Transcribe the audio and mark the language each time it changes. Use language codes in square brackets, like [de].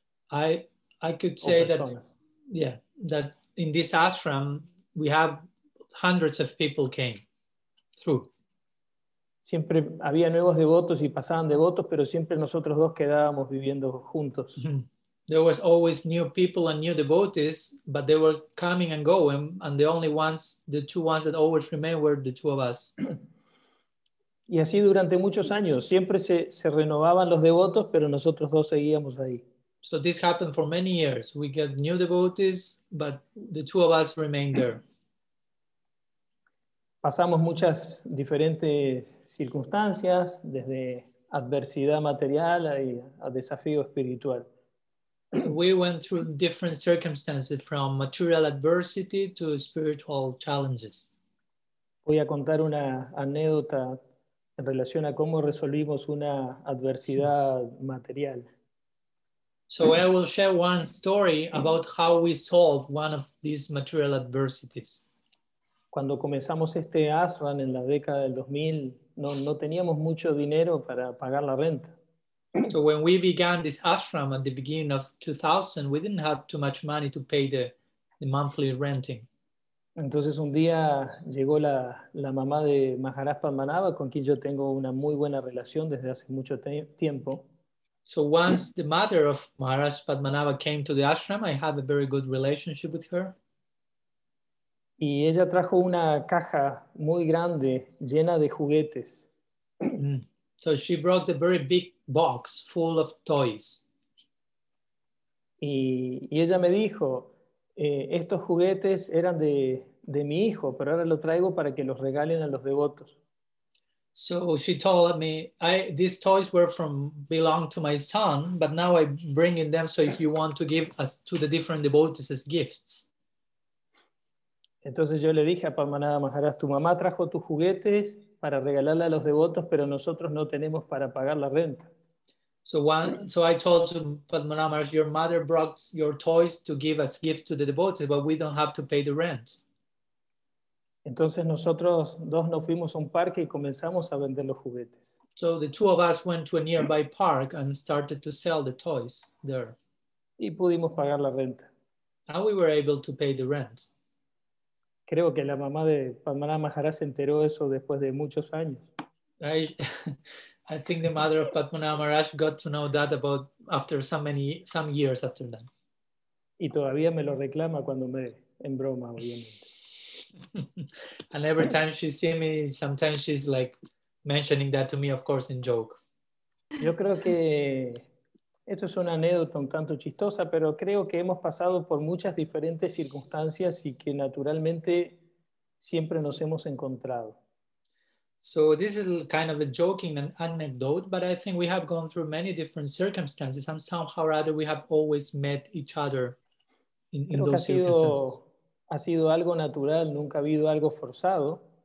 [en] I could say that, yeah, that in this ashram we have hundreds of people came through. [es] Siempre había nuevos devotos y pasaban devotos, pero siempre nosotros dos quedábamos viviendo juntos. [en] There was always new people and new devotees, but they were coming and going, and the only ones, the two ones that always remained were the two of us. [es] Y así durante muchos años, siempre se renovaban los devotos, pero nosotros dos seguíamos ahí. [en] So this happened for many years. We get new devotees, but the two of us remain there. [es] Pasamos muchas diferentes circunstancias, desde adversidad material a desafío espiritual. [en] We went through different circumstances, from material adversity to spiritual challenges. [es] Voy a contar una anécdota en relación a cómo resolvimos una adversidad material. [en] So I will share one story about how we solved one of these material adversities. [es] Cuando comenzamos este ashram en la década del 2000, no teníamos mucho dinero para pagar la renta. [en] So when we began this ashram at the beginning of 2000, we didn't have too much money to pay the monthly renting. [es] Entonces un día llegó la mamá de Maharaj Padmanabha, con quien yo tengo una muy buena relación desde hace mucho tiempo. [en] So once the mother of Maharaj Padmanabha came to the ashram, I had a very good relationship with her. [es] Y ella trajo una caja muy grande llena de juguetes. [en] So she brought a very big box full of toys. [es] Y ella me dijo, estos juguetes eran de mi hijo, pero ahora lo traigo para que los regalen a los devotos. [en] So she told me, these toys belong to my son, but now I'm bringing them, so if you want to give us to the different devotees as gifts. [es] Entonces yo le dije a Padmanabha Maharaj, tu mamá trajo tus juguetes para regalarle a los devotos, pero nosotros no tenemos para pagar la renta. [en] So I told to Padmanabha Maharaj, your mother brought your toys to give as gift to the devotees, but we don't have to pay the rent. [es] Entonces nosotros dos nos fuimos a un parque y comenzamos a vender los juguetes. [en] So the two of us went to a nearby park and started to sell the toys there. [es] Y pudimos pagar la renta. [en] And we were able to pay the rent. [es] Creo que la mamá de Padmanabha Maharaj se enteró eso después de muchos años. [en] I think the mother of Padmanabha Maharaj got to know that about after some years after that. [es] Y todavía me lo reclama cuando me en broma, obviamente. [en] And every time she sees me, sometimes she's like mentioning that to me, of course, in joke. [es] Yo creo que esto es una anécdota un tanto chistosa, pero creo que hemos pasado por muchas diferentes circunstancias y que naturalmente siempre nos hemos encontrado. [en] So this is kind of a joking anecdote, but I think we have gone through many different circumstances and somehow or other we have always met each other in those circumstances. [es] Ha sido algo natural, nunca ha habido algo forzado.